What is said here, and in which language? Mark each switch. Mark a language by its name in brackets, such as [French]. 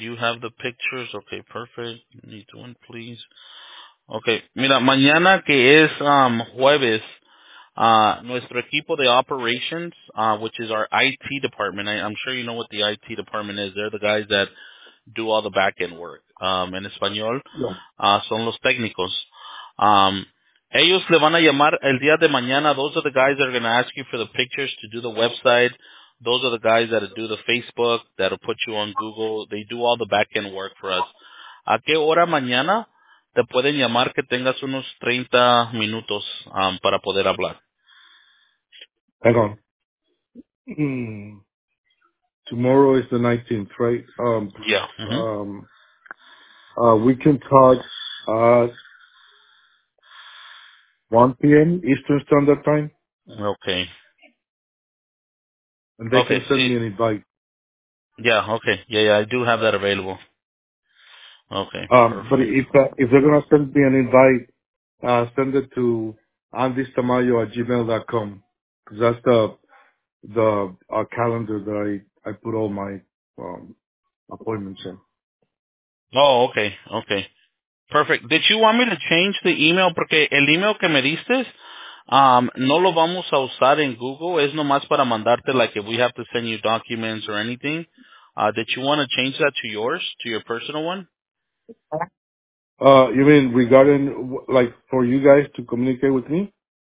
[English] You have the pictures. Okay, perfect. Need one, please. [Spanish] Okay, mira, mañana que es jueves, nuestro equipo de operations, [English] which is our IT department. I'm sure you know what the IT department is. They're the guys that do all the back-end work. [Spanish] En español, [English] yeah. [Spanish] Son los técnicos. Ellos le van a llamar el día de mañana. [English] Those are the guys that are going to ask you for the pictures to do the website. Those are the guys that do the Facebook, that will put you on Google. They do all the back-end work for us. [Spanish] ¿A qué hora mañana te pueden llamar que tengas unos 30 minutos para poder hablar? [English] Hang on. Tomorrow is the 19th, right? Yeah. Mm-hmm. We can talk at 1 p.m. Eastern Standard Time. Okay. And they can send me an invite. Yeah, okay. Yeah, I do have that available. Okay. But if they're gonna send me an invite, send it to andystamayo@gmail.com, because that's the calendar that I put all my appointments in. Oh, okay, perfect. Did you want me to change the email? [Spanish] Porque el email que me diste, no lo vamos a usar en Google. Es nomás para mandarte, [English] like if we have to send you documents or anything. Did you want to change that to yours, to your personal one? You mean regarding, like, for you guys to communicate with me?